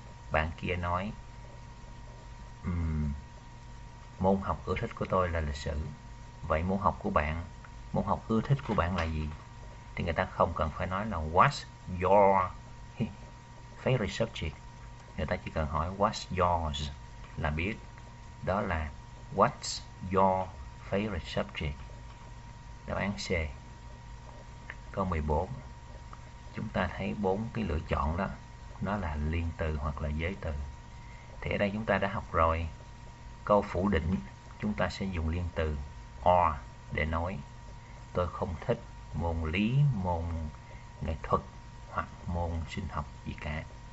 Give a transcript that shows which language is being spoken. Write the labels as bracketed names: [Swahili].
[Vietnamese] Bạn kia nói môn học ưa thích của tôi là lịch sử. Vậy môn học của bạn, môn học ưa thích của bạn là gì? Thì người ta không cần phải nói là [English] what's your favorite subject. [Vietnamese] Người ta chỉ cần hỏi [English] what's yours [Vietnamese] là biết. Đó là [English] what's your favorite subject. [Vietnamese] Đáp án C. Câu 14. Chúng ta thấy bốn cái lựa chọn đó, nó là liên từ hoặc là giới từ. Thì ở đây chúng ta đã học rồi. Câu phủ định chúng ta sẽ dùng liên từ or để nói tôi không thích môn lý, môn nghệ thuật hoặc môn sinh học gì cả.